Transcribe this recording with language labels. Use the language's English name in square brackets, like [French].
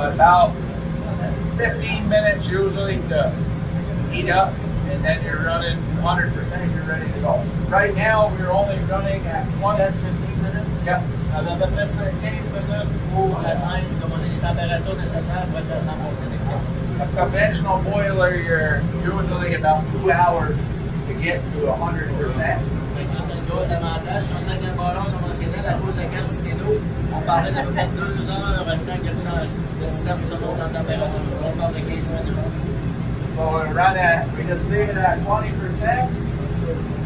[English] About 15 minutes usually to heat up, and then you're running 100%, you're ready to go. Right now, we're only running at 10-15 minutes? Yep. Okay. [French] avait à peu près 15 minutes pour atteindre comme on a les températures nécessaires pour être à 100% efficace. [English] A conventional boiler, you're usually about 2 hours to get to 100%. So when we run it, we just leave it at 20%.